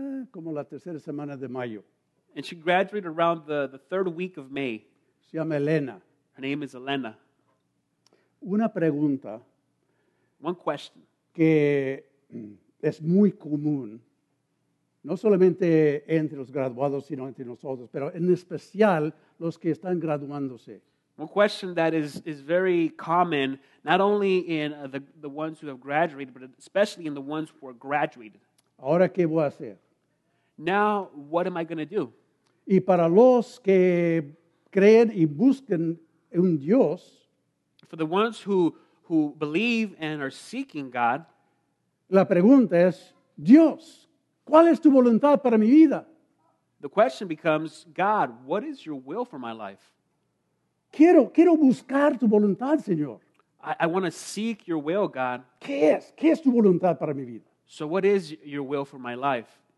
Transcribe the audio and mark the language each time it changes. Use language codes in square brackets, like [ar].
[es] Como la tercera semana de mayo. [en] And she graduated around the third week of May. [es] Se llama Elena. [en] Her name is Elena. [es] Una pregunta. [en] One question. [es] Que es muy común, no solamente entre los graduados, sino entre nosotros, pero en especial los que están graduándose. [en] One question that is very common, not only in the ones who have graduated, but especially in the ones who are graduated. [es] ¿Ahora qué voy a hacer? [en] Now, what am I going to do? [es] Y para los que creen y buscan un Dios. [en] For the ones who believe and are seeking God. [es] La pregunta es, Dios, ¿cuál es tu voluntad para mi vida? [en] The question becomes, God, what is your will for my life? [es] Quiero buscar tu voluntad, Señor. [en] I want to seek your will, God. [es] ¿Qué es tu voluntad para mi vida? [en] So what is your will for my life?